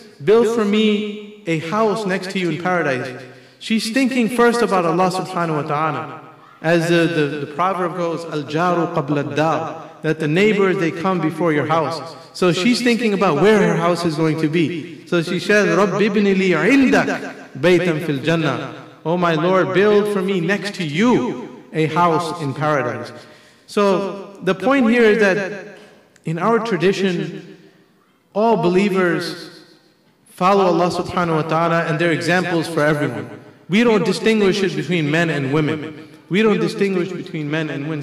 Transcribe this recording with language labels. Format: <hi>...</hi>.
<en>Build for me a house next to you in paradise. She's thinking first about Allah subhanahu wa ta'ala. As the proverb goes,</en> <ar>Al-Jaru qabla ad-dar,</ar> <en>that the neighbors, they come before your house. So she's thinking about where her house is going to be. So she says,</en> <ar>رَبِّ بِنِ لِي عِنْدَكَ بَيْتًا فِي الْجَنَّةِ.</ar> <en>Oh my Lord, build for me next to you a house in paradise. So the point here is that in our tradition, all believers follow Allah subhanahu wa ta'ala, and they're examples for everyone. We don't distinguish it between men and women. We don't distinguish between men and women.</en>